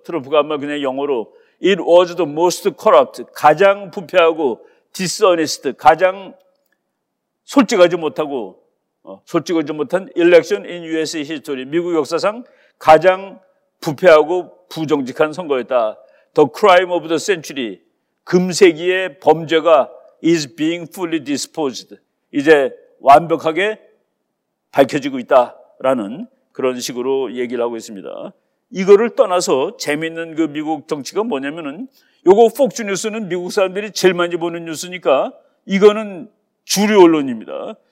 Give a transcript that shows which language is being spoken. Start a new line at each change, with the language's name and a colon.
Korean: 트럼프가 한 말 그냥 영어로
English: It was the most corrupt,
Korean: 가장 부패하고
English: dishonest,
Korean: 가장 솔직하지 못하고, 솔직하지 못한
English: election in US history,
Korean: 미국 역사상 가장 부패하고 부정직한 선거였다.
English: The crime of the century,
Korean: 금세기의 범죄가
English: is being fully disposed.
Korean: 이제 완벽하게 밝혀지고 있다라는 그런 식으로 얘기를 하고 있습니다. 이거를 떠나서 재미있는 그 미국 정치가 뭐냐면은 요거 폭스 뉴스는 미국 사람들이 제일 많이 보는 뉴스니까 이거는 주류 언론입니다.